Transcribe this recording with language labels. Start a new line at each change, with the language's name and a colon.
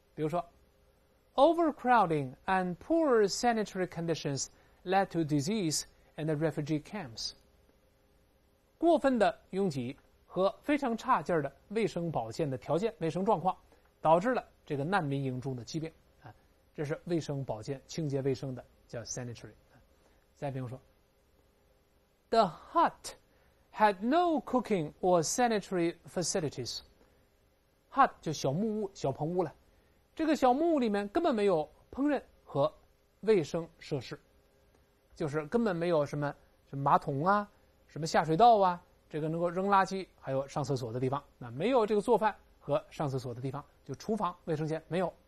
Chinese: 比如说
English: ,overcrowding and poor sanitary conditions led to disease and refugee camps.
Chinese: 过分的拥挤和非常差劲的卫生保健的条件卫生状况导致了这个难民营中的疾病。这是卫生保健清洁卫生的叫 sanitary。再比如说
English: ,the hut had no cooking or sanitary facilities.
Chinese: Hut 就小木屋小棚屋了。这个小木屋里面根本没有烹饪和卫生设施。就是根本没有什么马桶啊什么下水道啊这个能够扔垃圾还有上厕所的地方。那没有这个做饭和上厕所的地方就厨房卫生间没有。